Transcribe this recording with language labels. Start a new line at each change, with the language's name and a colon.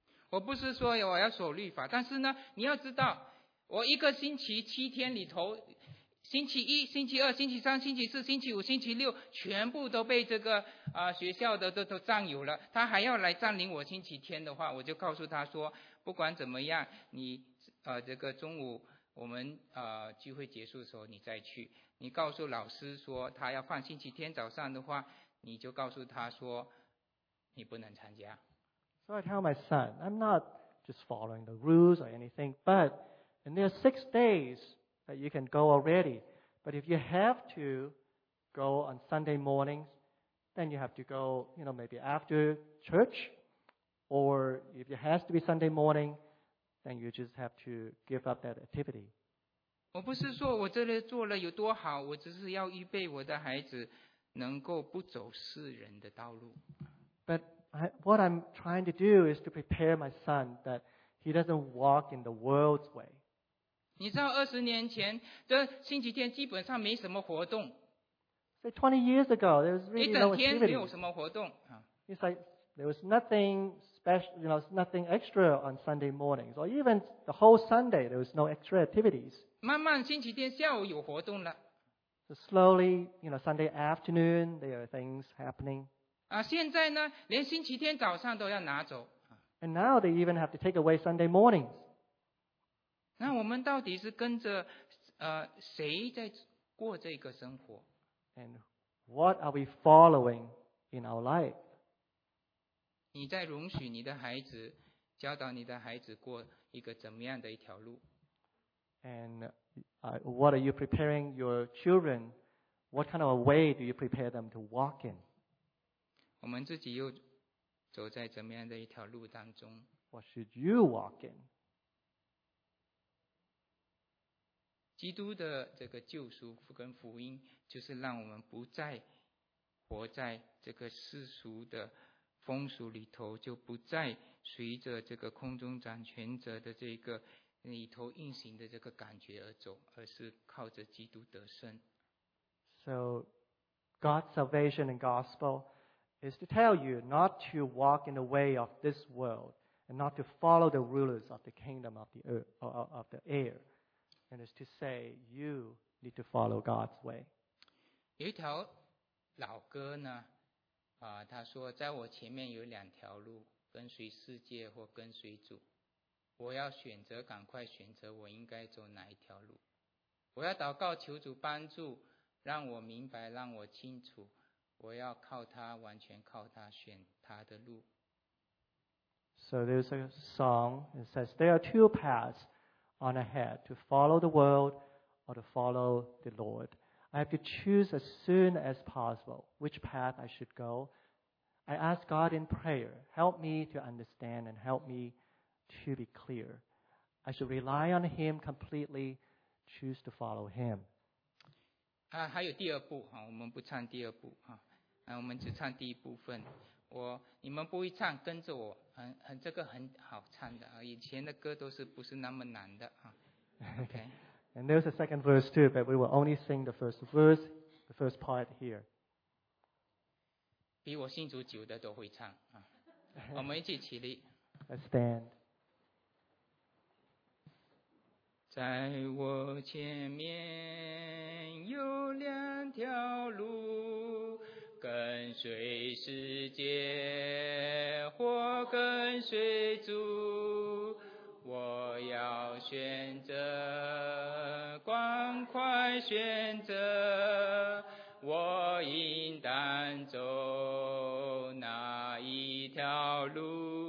Chinese: 我不是说我要守律法，但是呢，你要知道，我一个星期七天里头，星期一、星期二、星期三、星期四、星期五、星期六，全部都被这个学校的都占有了。他还要来占领我星期天的话，我就告诉他说，不管怎么样，你这个中午我们聚会结束的时候你再去，你告诉老师说他要放星期天早上的话。你就告诉他说你不能参加。
English: So I tell my son, I'm not just following the rules or anything, but and there are 6 days that you can go already, but if you have to go on Sunday mornings, then you have to go, you know, maybe after church, or if it has to be Sunday morning, then you just have to give up that activity.
Chinese: 我不是说我这里做了有多好，我只是要预备我的孩子能够不走世人的道路。
English: But what I'm trying to do is to prepare my son that he doesn't walk in the world's way.
Chinese: 你知道二十年前这星期天基本上没什么活动。
English: So 20 years ago, there was really no activity.
Chinese: 一整天没有什么活动。
English: It's like there was nothing special, you know, nothing extra on Sunday mornings. Or even the whole Sunday, there was no extra activities.
Chinese: 慢慢星期天下午有活动了。
English: So slowly, you know, Sunday afternoon, there are things happening.
Chinese: 现在呢，连星期天早上都要拿走。
English: And now they even have to take away Sunday mornings.
Chinese: 那我们到底是跟着谁在过这个生活？
English: And what are we following in our life?
Chinese: 你在容许你的孩子，教导你的孩子过一个怎么样的一条路？
English: AndWhat are you preparing your children? What kind of a way do you prepare them to walk in?
Chinese: 我们自己又走在怎么样的一条路当中。
English: What should you walk in?
Chinese: 基督的这个救赎跟福音，就是让我们不再活在这个世俗的风俗里头，就不再随着这个空中掌权者的这个里头运行的这个感觉而走，而是靠着基督得胜。
English: So, God's salvation and gospel is to tell you not to walk in the way of this world and not to follow the rulers of the kingdom of the earth, of the air, and is to say you need to follow God's way.
Chinese: 有一条老歌呢，他说在我前面有两条路，跟随世界或跟随主，我要选择，赶快选择我应该走哪一条路。我要祷告求主帮助，让我明白，让我清楚，我要靠他，完全靠他，选他的路。
English: So there's a song that says there are two paths on ahead, to follow the world or to follow the Lord. I have to choose as soon as possible which path I should go. I ask God in prayer, help me to understand and help me to be clear. I should rely on Him completely, choose to follow Him.
Chinese: 啊，还有第二步啊，我们不唱第二步啊，啊，我们只唱第一部分。你们不会唱，跟着我，很这个很好唱的啊。以前的歌都是不是那么难的啊。
English: Okay. And there's a second verse too, but we will only sing the first verse, the first part here.
Chinese: 比我信主久的都会唱啊。我们一起起立。
English: Let's stand.
Chinese: 在我前面有两条路，跟随世界或跟随主，我要选择，赶快选择，我应当走哪一条路。